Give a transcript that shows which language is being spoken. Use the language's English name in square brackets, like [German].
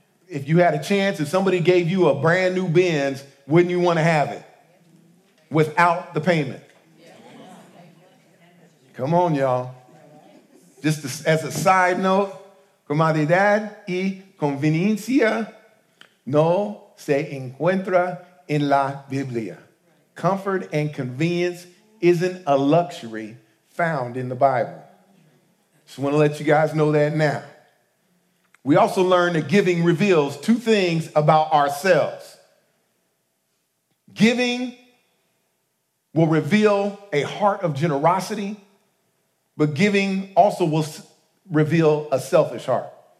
[English] If you had a chance, if somebody gave you a brand new Benz, wouldn't you want to have it without the payment? Come on, y'all. Just as a side note, [Spanish] comodidad y conveniencia no se encuentra en la Biblia. [English] Comfort and convenience isn't a luxury found in the Bible. Just want to let you guys know that now. We also learn that giving reveals two things about ourselves. Giving will reveal a heart of generosity, but giving also will reveal a selfish heart.